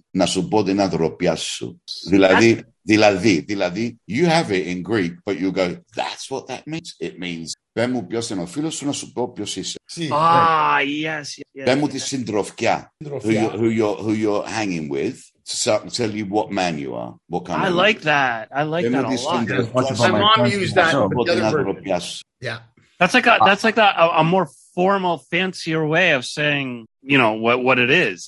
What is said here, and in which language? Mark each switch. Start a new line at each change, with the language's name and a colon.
Greek: Να σου πω την αδροπιά σου.
English: Δηλαδή, you have it in Greek, but you go, that's what that means. It means,
Greek: πέ μου ποιος είναι ο φίλος σου, να σου πω ποιος είσαι.
English: Ah, yes.
Greek: Πέ μου τη συντροφιά,
English: who you're hanging with, to tell you what man you are. What kind I of like that. I like that a lot. My mom used that. That's like a more formal, fancier way of saying, you know, what it is.